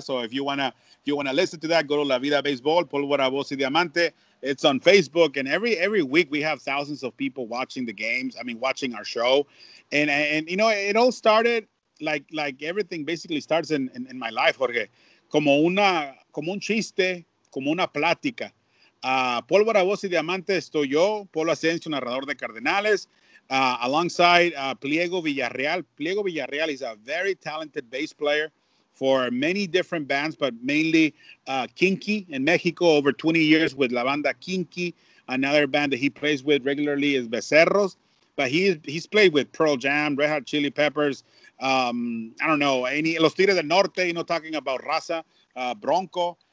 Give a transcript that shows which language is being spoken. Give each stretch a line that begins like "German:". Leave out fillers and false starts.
English: So if you want to listen to that, go to La Vida Baseball, Pólvora, Voz y Diamante. It's on Facebook, and every week we have thousands of people watching the games. I mean, watching our show. And you know, it all started like everything basically starts in my life, Jorge.
Spanish: Como un chiste, como una plática. Pólvora, Voz y Diamante, estoy yo, Polo Asensio, narrador de Cardenales,
English: alongside
Spanish: Pliego Villarreal.
English: Pliego Villarreal is a very talented bass player for many different bands, but mainly Kinky in Mexico, over 20 years with La Banda Kinky. Another band that he plays with regularly is Becerros, but he's played with Pearl Jam, Red Hot Chili Peppers, I don't know, any Los Tigres del Norte, you know, talking about Raza, Bronco.